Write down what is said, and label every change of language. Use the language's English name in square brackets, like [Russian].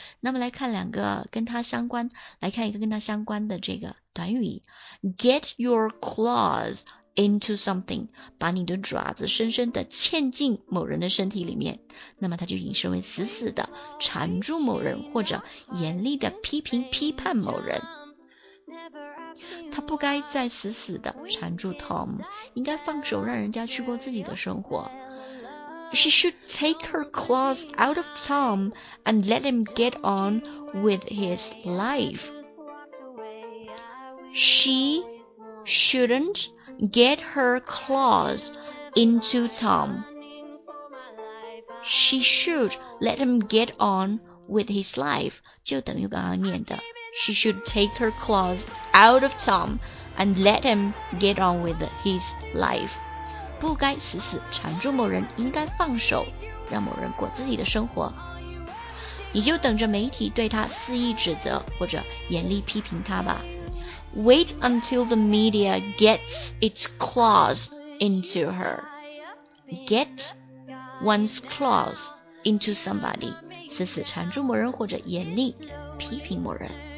[Chinese] 那么来看两个跟它相关，来看一个跟它相关的这个短语， get your claws into something， 把你的爪子深深的嵌进某人的身体里面，那么它就引申为死死的缠住某人或者严厉的批评批判某人。他不该再死死地缠住 Tom， 应该放手让人家去过自己的生活。 [English] She should take her claws out of Tom and let him get on with his life. She shouldn't get her claws into Tom. She should let him get on with his life. [Chinese] 就等于刚刚念的 [English] She should take her claws out of Tom and let him get on with his life. [Chinese] 不该死死缠住某人，应该放手让某人过自己的生活。你就等着媒体对他肆意指责或者严厉批评他吧。 [English] Wait until the media gets its claws into her. Get one's claws into somebody. [Chinese] 死死缠住某人或者严厉批评某人。